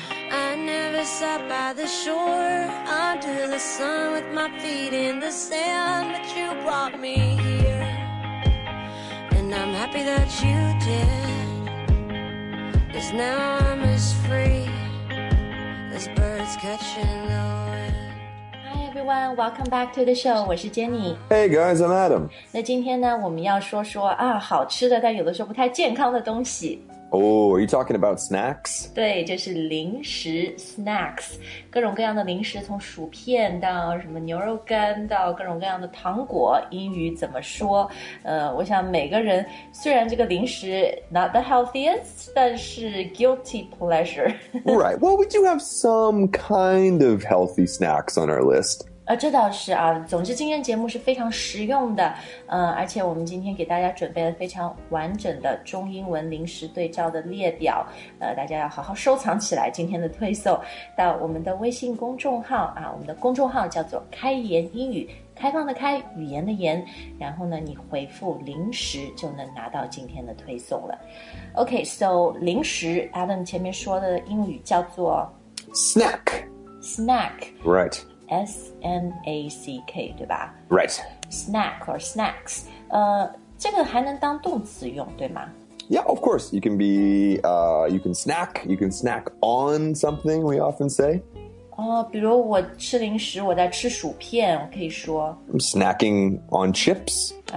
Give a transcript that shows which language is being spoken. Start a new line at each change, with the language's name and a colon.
English: I never sat by the shore under the sun with my feet in the sand, but you brought me here, and I'm happy that you did, 'cause now I'm as free as birds catching the wind. Welcome back to the show.
Chinese: 我是 Jenny.
English: Hey guys, I'm Adam.
Chinese: 那今天呢，我们要说说啊，好吃的但有的时候不太健康的东西。
English: Oh, are you talking about snacks?
Chinese: 对，就是零食 snacks， 各种各样的零食，从薯片到什么牛肉干，到各种各样的糖果。英语怎么说？我想每个人虽然这个零食
English: not the healthiest，
Chinese: 但是
English: guilty pleasure. Right. Well, we do have some kind of healthy snacks on our list.
Chinese: 这倒是啊，总之今天节目是非常实用的，而且我们今天给大家准备了非常完整的中英文零食对照的列表，大家要好好收藏起来，今天的推送到我们的微信公众号啊，我们的公众号叫做开言英语，开放的开，语言的言，然后呢你回复零食就能拿到今天的推送了。
English: OK, so
Chinese: 零食 Adam 前面说的英语叫做
English: Snack Right. S-N-A-C-K,
Chinese: 对吧
English: Right. Snack or snacks.
Chinese: 这个还能当动词用对吗
English: Yeah, of course. You can be, you can snack on something, we often say.
Chinese: 比如我吃零食我在吃薯片我可以说
English: I'm snacking on chips.